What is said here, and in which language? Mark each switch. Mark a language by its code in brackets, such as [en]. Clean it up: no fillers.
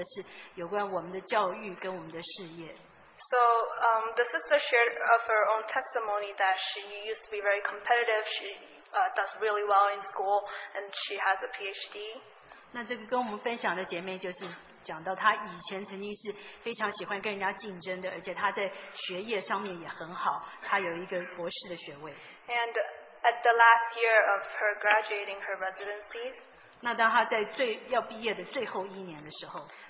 [zh] 那他其他还有很多实际的交通，但是其中让我最觉得摸着的是有关我们的教育跟我们的事业。 [en] So the sister shared of her own testimony that she used to be very competitive. She does really well in school, and she has a PhD. [zh] 那这个跟我们分享的姐妹就是讲到她以前曾经是非常喜欢跟人家竞争的，而且她在学业上面也很好，她有一个博士的学位。 [en] And at the last year of her graduating her residencies, [zh] 那当她在最要毕业的最后一年的时候,